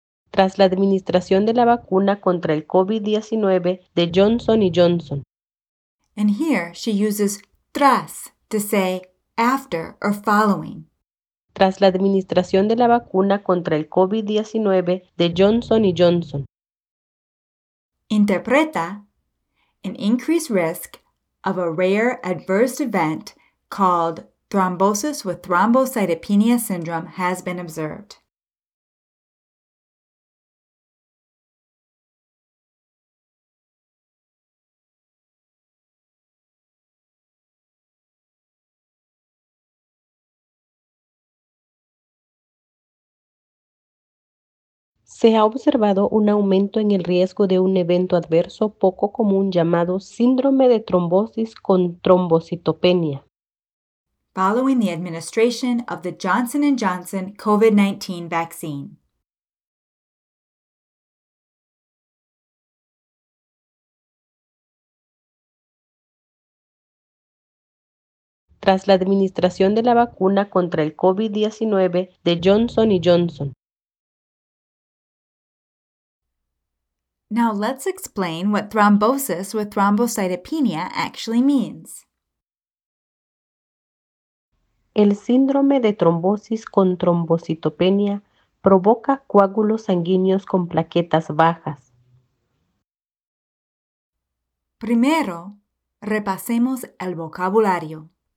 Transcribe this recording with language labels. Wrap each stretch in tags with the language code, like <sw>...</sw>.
<es>Tras la administración de la vacuna contra el COVID-19 de Johnson & Johnson.</es> <en>And here she uses tras to say after or following.</en> <es>Tras la administración de la vacuna contra el COVID-19 de Johnson & Johnson.</es> <en>Interpreta, an increased risk of a rare adverse event called thrombosis with thrombocytopenia syndrome has been observed.</en> <es>Se ha observado un aumento en el riesgo de un evento adverso poco común llamado síndrome de trombosis con trombocitopenia.</es> <en>Following the administration of the Johnson & Johnson COVID-19 vaccine.</en> <es>Tras la administración de la vacuna contra el COVID-19 de Johnson & Johnson.</es> <en>Now let's explain what thrombosis with thrombocytopenia actually means.</en> <es>El síndrome de trombosis con trombocitopenia provoca coágulos sanguíneos con plaquetas bajas. Primero, Repasemos el vocabulario.</es>